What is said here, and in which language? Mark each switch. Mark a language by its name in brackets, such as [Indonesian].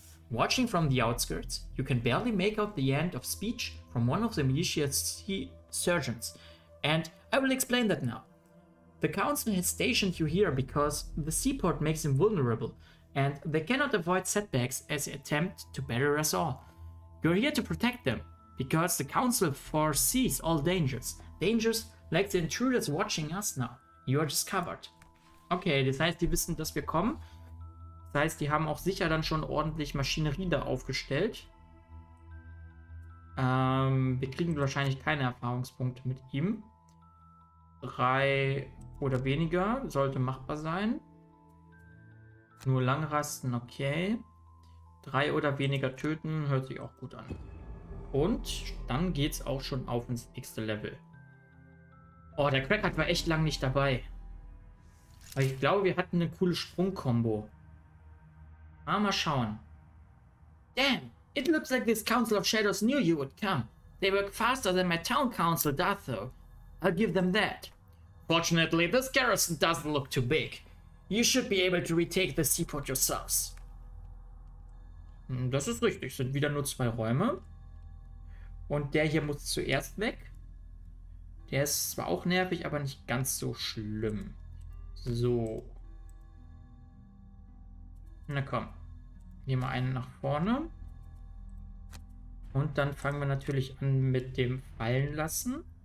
[English] Watching from the outskirts, you can barely make out the end of speech from one of the militia sergeants, and I will explain that now. The council has stationed you here because the seaport makes them vulnerable, and they cannot avoid setbacks as they attempt to better us all. You're here to protect them, because the council foresees all dangers. Dangers like the intruders watching us now. You are discovered. [German] Okay, das heißt, die wissen, dass wir kommen. Das heißt, die haben auch sicher dann schon ordentlich Maschinerie da aufgestellt. Wir kriegen wahrscheinlich keine Erfahrungspunkte mit ihm. Drei oder weniger sollte machbar sein. Nur langrasten, okay. Drei oder weniger töten, hört sich auch gut an. Und dann geht's auch schon auf ins nächste Level. Oh, der Crackheart war echt lang nicht dabei. Aber ich glaube, wir hatten eine coole Sprungkombo. Ah, mal schauen. [English] Damn, it looks like this Council of Shadows knew you would come. They work faster than my town council does, though. I'll give them that. Fortunately, this garrison doesn't look too big. You should be able to retake the seaport yourselves. [German] Das ist richtig, sind wieder nur zwei Räume. Und der hier muss zuerst weg. Der ist zwar auch nervig, aber nicht ganz so schlimm. So. Na komm. Nehmen wir einen nach vorne. Und dann fangen wir natürlich an mit dem Fallen lassen.